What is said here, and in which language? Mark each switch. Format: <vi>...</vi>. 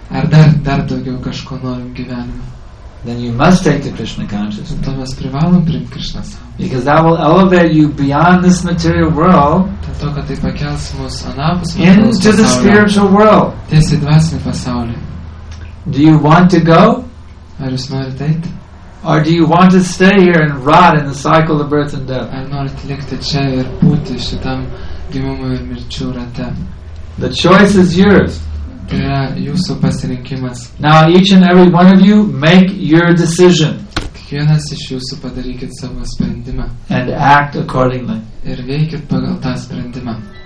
<lt>Ar dar daugiau kažko norim gyvenime?</lt> <en>Then you must take the Krishna consciousness.</en> <lt>Tad mes privalom priimti Krishna sąmonę.</lt> <en>Because that will elevate you beyond this material world.</en> <lt>Tad to, kad tai pakels mus anapus.</lt> <en>Into the spiritual world.</en> <lt>Tiesi dvasinį pasaulį.</lt> <en>Do you want to go?</en> <lt>Ar jūs norite eiti?</lt> <en>Or do you want to stay here and rot in the cycle of birth and death?</en> <lt>Ar norite likti čia ir būti šitam gimimo ir mirčių rate?</lt> <en>The choice is yours.</en> <lt>Tai yra jūsų pasirinkimas.</lt> <en>Now each and every one of you make your decision.</en> <lt>Kiekvienas iš jūsų padarykit savo sprendimą.</lt> <en>And act accordingly.</en> <lt>Ir veikit pagal tą sprendimą.</lt>